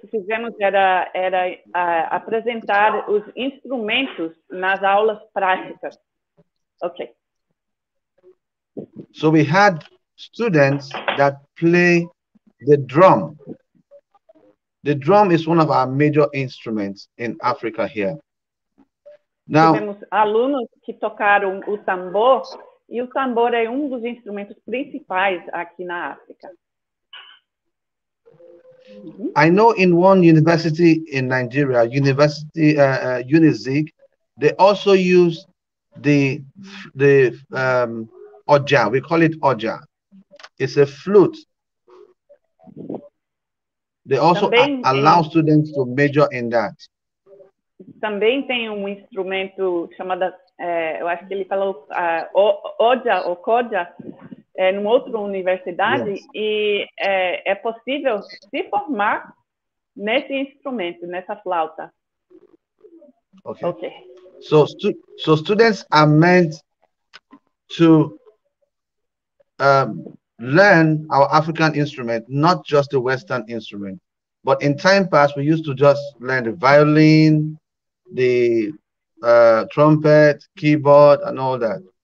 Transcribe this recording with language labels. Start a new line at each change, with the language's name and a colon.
Portuguese: Que fizemos era apresentar os instrumentos nas aulas práticas. Okay.
English: So we had students that play the drum The drum is one of our major instruments in Africa here.
Portuguese: Now, temos alunos que tocaram o tambor, e o tambor é um dos instrumentos principais aqui na África.
English: I know in one university in Nigeria, University UNIZIG, they also use the oja. We call it oja. It's a flute. They also allow students to major in that.
Portuguese: Também tem um instrumento chamado, eu acho que ele falou oja ou koja, numa outra universidade, yes. E é possível se formar nesse instrumento, nessa flauta.
English: Okay. Okay. So students are meant to learn our African instrument, not just the Western instrument. But in time past, we used to just learn the violin, the trumpet, keyboard, and all that.